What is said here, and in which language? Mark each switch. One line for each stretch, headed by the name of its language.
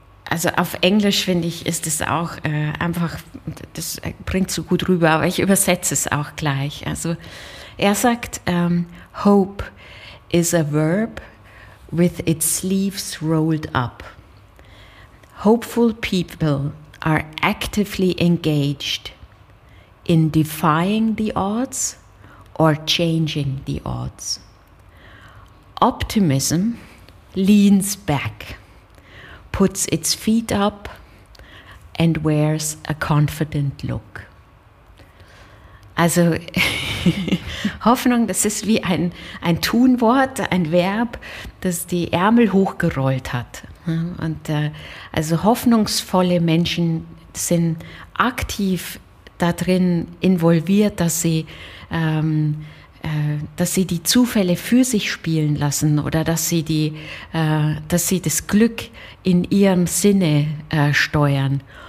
German: Also auf Englisch, finde ich, ist es auch einfach, das bringt so gut rüber, aber ich übersetze es auch gleich. Also er sagt,
English: Hope is a verb with its sleeves rolled up. Hopeful people are actively engaged in defying the odds or changing the odds. Optimism leans back, puts its feet up and wears a confident look.
German: Also Hoffnung, das ist wie ein Tunwort, ein Verb, das die Ärmel hochgerollt hat. Und also hoffnungsvolle Menschen sind aktiv darin involviert, dass sie die Zufälle für sich spielen lassen oder dass sie die, dass sie das Glück in ihrem Sinne steuern.